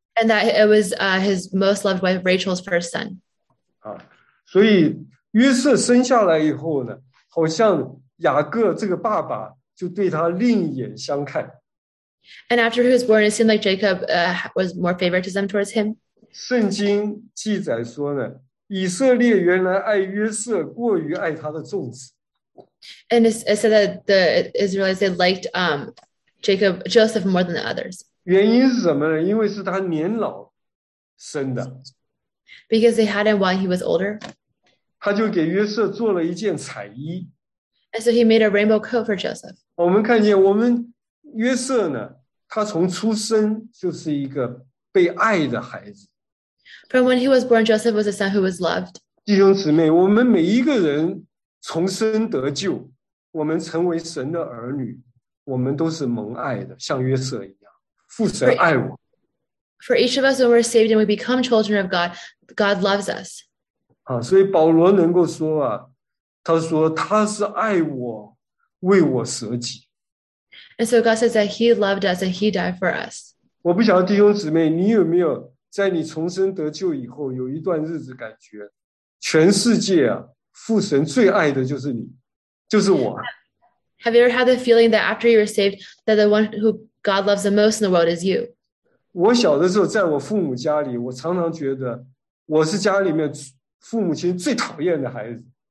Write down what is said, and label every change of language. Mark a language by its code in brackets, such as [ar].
[en] And that it was his most loved wife Rachel's first son. [zh] 啊，所以约瑟生下来以后呢，好像雅各这个爸爸就对他另眼相看。 [en] And after he was born, it seemed like Jacob was more favoritism towards him. [zh] 圣经记载说呢，以色列原来爱约瑟过于爱他的粽子。 [en] And it said that the Israelites they liked Joseph more than the others. [zh] 原因是什么呢？因为是他年老生的。 [en] Because they had him while he was older. [zh] 他就给约瑟做了一件彩衣。 [en] And so he made a rainbow coat for Joseph. [zh] 我们看见我们约瑟呢，他从出生就是一个被爱的孩子。 [en] From when he was born, Joseph was a son who was loved. [zh] 弟兄姊妹，我们每一个人重生得救，我们成为神的儿女，我们都是蒙爱的，像约瑟一样，父神爱我。 [en] For each of us, when we're saved and we become children of God, God loves us. [zh] 啊，所以保罗能够说啊。他说他是爱我，为我舍己。 [en] And so God says that He loved us and He died for us. [zh] 我不晓得弟兄姊妹，你有没有在你重生得救以后，有一段日子感觉，全世界啊，父神最爱的就是你，就是我。 [en] Have you ever had the feeling that after you were saved, that the one who God loves the most in the world is you? [zh] 我小的时候在我父母家里，我常常觉得我是家里面父母亲最讨厌的孩子。